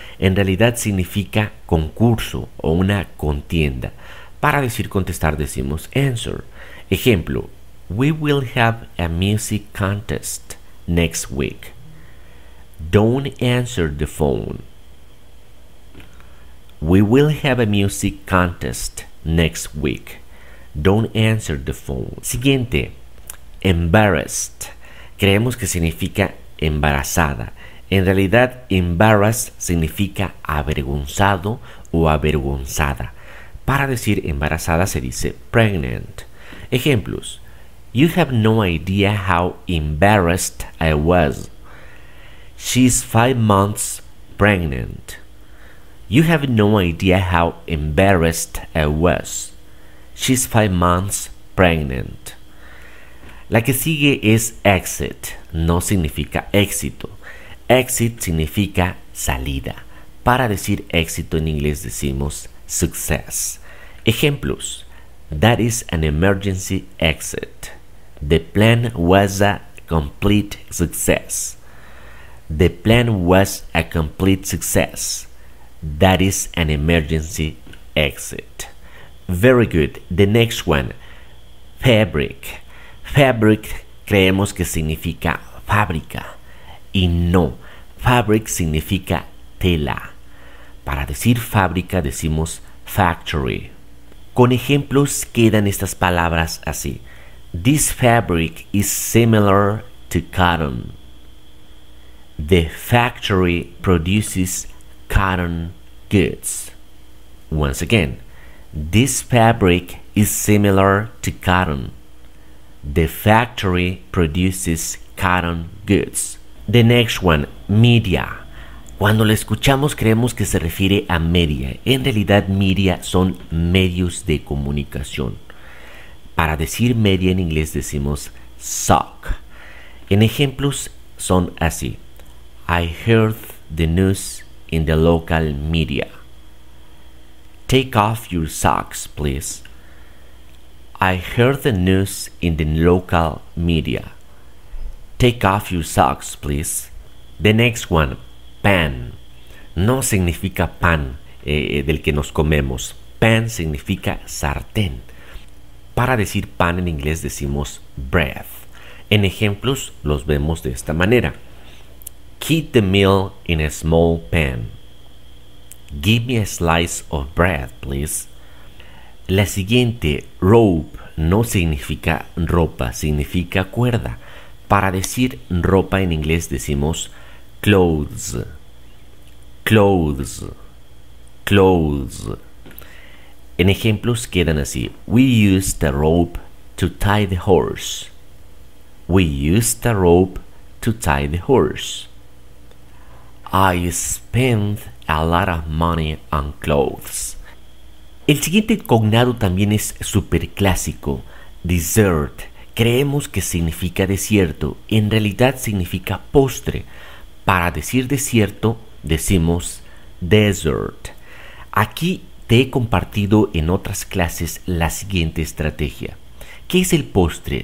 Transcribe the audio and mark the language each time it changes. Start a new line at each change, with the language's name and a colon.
Spanish: En realidad significa concurso o una contienda. Para decir contestar decimos answer. Ejemplo,
English: we will have a music contest next week. Don't answer the phone. We will have a music contest next week. Don't answer the phone.
Spanish: Siguiente,
English: embarrassed.
Spanish: Creemos que significa embarazada. En realidad, embarrassed significa avergonzado o avergonzada. Para decir embarazada se dice pregnant. Ejemplos.
English: You have no idea how embarrassed I was. She's 5 months pregnant. You have no idea how embarrassed I was. She's 5 months pregnant.
Spanish: La que sigue es
English: exit.
Spanish: No significa éxito. Exit significa salida. Para decir éxito en inglés decimos success. Ejemplos.
English: That is an emergency exit. The plan was a complete success. The plan was a complete success. That is an emergency exit. Very good. The next one, fabric.
Spanish: Fabric creemos que significa fábrica. Y no, fabric significa tela. Para decir fábrica decimos factory. Con ejemplos quedan estas palabras así.
English: This fabric is similar to cotton. The factory produces cotton goods. Once again. This fabric is similar to cotton. The factory produces cotton goods. The next one, media.
Spanish: Cuando lo escuchamos creemos que se refiere a media. En realidad, media son medios de comunicación. Para decir media en inglés decimos sock. En ejemplos son así.
English: I heard the news in the local media. Take off your socks, please. I heard the news in the local media. Take off your socks, please. The next one,
Spanish: pan. No significa pan del que nos comemos. Pan significa sartén. Para decir pan en inglés decimos bread. En ejemplos los vemos de esta manera.
English: Heat the meal in a small pan. Give me a slice of bread, please.
Spanish: La siguiente, rope, no significa ropa, significa cuerda. Para decir ropa en inglés decimos clothes. Clothes. Clothes. En ejemplos quedan así.
English: We use the rope to tie the horse. We use the rope to tie the horse. I spend a lot of money on clothes.
Spanish: El siguiente cognado también es súper clásico. Dessert. Creemos que significa desierto. En realidad significa postre. Para decir desierto, decimos desert. Aquí te he compartido en otras clases la siguiente estrategia. ¿Qué es el postre?